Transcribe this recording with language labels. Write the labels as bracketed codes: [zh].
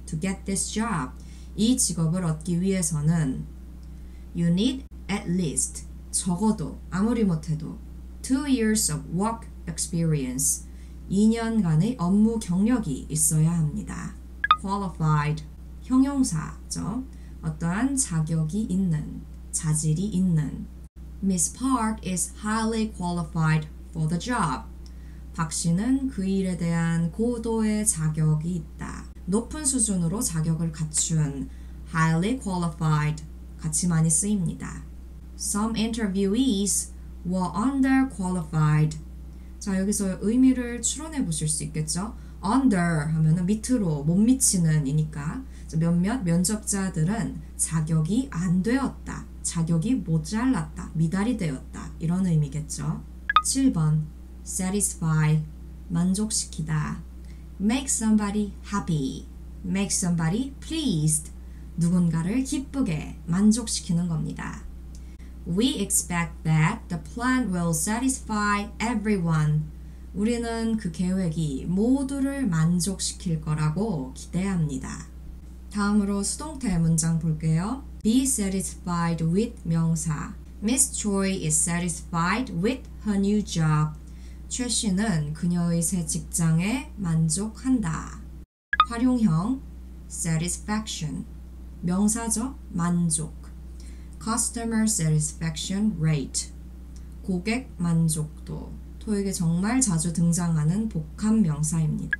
[en] To get this job. [ko] 이 직업을 얻기 위해서는, [en] You need at least, [ko] 적어도, 아무리 못해도, [en] 2 years of work experience. [ko] 2년간의 업무 경력이 있어야 합니다. Qualified, 형용사죠. 어떠한 자격이 있는, 자질이 있는. [en] Miss Park is highly qualified for the job. [ko] 박 씨는 그 일에 대한 고도의 자격이 있다. 높은 수준으로 자격을 갖춘 highly qualified 같이 많이 쓰입니다. [en] Some interviewees were underqualified. [ko] 자, 여기서 의미를 추론해 보실 수 있겠죠? Under 하면은 밑으로 못 미치는 이니까. 몇몇 면접자들은 자격이 안 되었다. 자격이 모자랐다. 미달이 되었다. 이런 의미겠죠? 7번. Satisfy. [en] 만족시키다. Make somebody happy. Make somebody pleased. [ko] 누군가를 기쁘게 만족시키는 겁니다. [en] We expect that the plan will satisfy everyone. [ko] 우리는 그 계획이 모두를 만족시킬 거라고 기대합니다. 다음으로 수동태 문장 볼게요. [en] Be satisfied with 명사. Miss Choi is satisfied with her new job. [ko] 최 씨는 그녀의 새 직장에 만족한다. 활용형, satisfaction. 명사죠? 만족. [en] Customer satisfaction rate. 고객 만족도. [ko] 토익에 정말 자주 등장하는 복합 명사입니다.